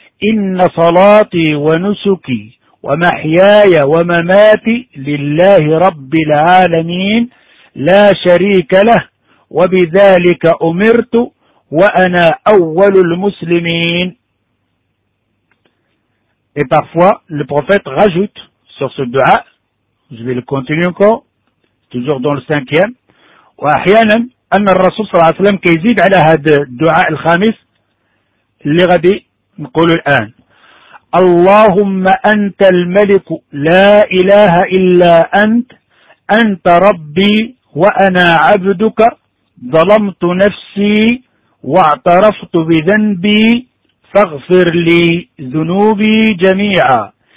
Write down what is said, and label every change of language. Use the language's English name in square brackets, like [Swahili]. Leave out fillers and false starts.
[Arabic] إن صلاتي ونسكي ومحياي ومماتي لله رب العالمين لا شريك له وبذلك أمرت وأنا أول المسلمين. [French] Et parfois le prophète rajoute sur ce dua. Je vais le continuer encore, toujours dans le cinquième. [Arabic] وأحيانا أن الرسول صلى الله عليه وسلم كيزيد على هذا الدعاء الخامس اللي غادي نقول الآن. اللهم أنت الملك لا إله إلا أنت، أنت ربي وأنا عبدك، ظلمت نفسي واعترفت بذنبي فاغفر لي ذنوبي جميعا.